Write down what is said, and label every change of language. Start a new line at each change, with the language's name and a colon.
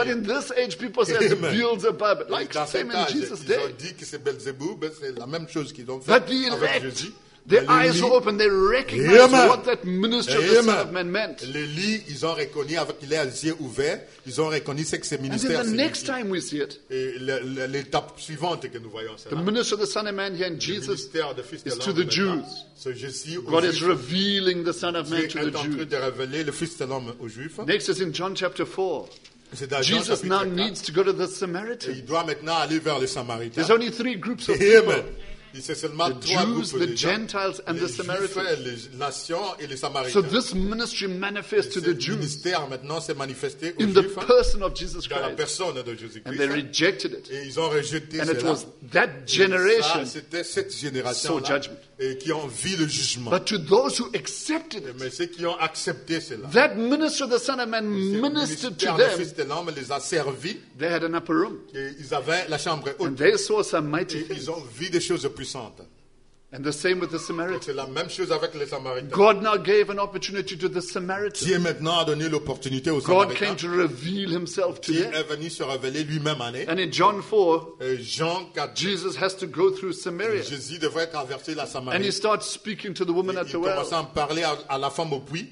English: But in this age, people say it's Beelzebub, like
French: dans
English: same
French: âge,
English: in Jesus' day.
French: Ils ont dit que c'est Beelzebub, c'est la même chose qu'ils ont fait
English: but the elect,
French: avec Jésus.
English: Their eyes were open, they recognized Amen. What that ministry of the Son of Man meant.
French: Les lits, ils ont reconnu, avec les yeux ouverts, ils ont reconnu ce que ce ministère
English: and then the next time we see it,
French: et l'étape suivante que nous voyons,
English: the ministry of the Son of Man here in Jesus is to the Jews. God is revealing the Son of Man to the Jews.
French: Dieu est en train de révéler le Fils de l'homme aux Juifs.
English: Next is in John chapter 4. Jesus now needs to go to the Samaritans.
French: Il doit maintenant aller vers les Samaritains.
English: There's only three groups of people.
French: C'est seulement trois groupes de gens.
English: The Gentiles and the Samaritans.
French: Les nations et les Samaritains.
English: So this ministry manifests to the Jews.
French: Ministère maintenant s'est manifesté aux Juifs.
English: In the person of Jesus Christ.
French: Dans la personne de Jésus-Christ.
English: And they rejected it.
French: Et ils ont rejeté cela.
English: And it was that generation.
French: Ça, c'était cette génération-là.
English: Saw judgment.
French: Et qui ont vu le jugement.
English: But to those who accepted it.
French: Mais ceux qui ont accepté cela.
English: That ministry of the Son of Man ministered to them.
French: Le Fils de l'homme les a servis.
English: They had an upper room.
French: Et ils avaient la chambre haute.
English: And they saw some mighty things.
French: Et ils ont vu des choses puissantes.
English: And the same with the Samaritans.
French: C'est la même chose avec les Samaritains.
English: God now gave an opportunity to the Samaritans.
French: Dieu maintenant a donné l'opportunité aux
English: God
French: Samaritains.
English: God came to reveal Himself to
French: Dieu
English: them.
French: Est venu se révéler lui-même à eux.
English: And in John 4,
French: Jean 4,
English: Jesus has to go through Samaria.
French: Jésus devrait traverser la Samarie.
English: And he starts speaking to the woman
French: et
English: at the well.
French: Il commence à parler à la femme au puits.